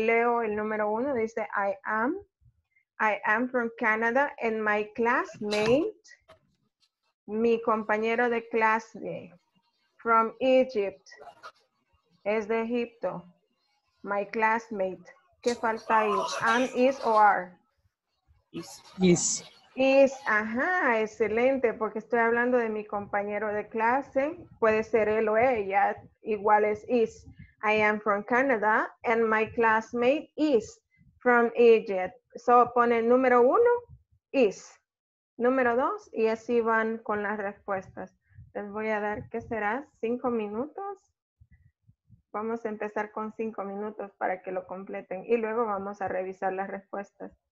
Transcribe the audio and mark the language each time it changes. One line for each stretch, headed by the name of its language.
Spanish: Leo el número uno, dice,
English: I am from Canada and my classmate,
Spanish: mi compañero de clase,
English: from Egypt,
Spanish: es de Egipto,
English: my classmate.
Spanish: ¿Qué falta ahí?
English: Am, is o are? Is.
Spanish: Is, ajá, excelente, porque estoy hablando de mi compañero de clase, puede ser él o ella, igual es is.
English: I am from Canada and my classmate is from Egypt.
Spanish: So pone número uno, is. Número dos, y así van con las respuestas. Les voy a dar, ¿qué será? 5 minutos. Vamos a empezar con 5 minutos para que lo completen y luego vamos a revisar las respuestas.